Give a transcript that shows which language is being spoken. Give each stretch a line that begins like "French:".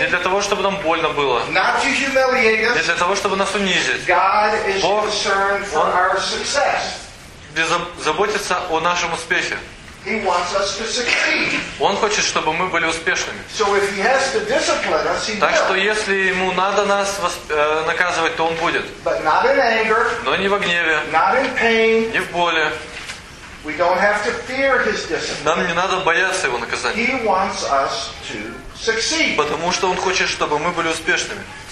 Russian: Не для того, чтобы нам больно было.
English: Not to humiliate us.
Russian: Не для того, чтобы нас унизить.
English: God is concerned for our success.
Russian: Бог заботится о нашем успехе.
English: He wants us to succeed.
Russian: Он хочет, чтобы мы были успешными.
English: So if he has to discipline us, he will.
Russian: Так что если ему надо нас наказывать, то он будет.
English: But not in anger.
Russian: Но не во гневе.
English: Not in pain.
Russian: Не в боли.
English: We don't have to fear his discipline.
Russian: Нам не надо бояться его наказания.
English: He wants us to succeed.
Russian: Потому что он хочет, чтобы мы были успешными.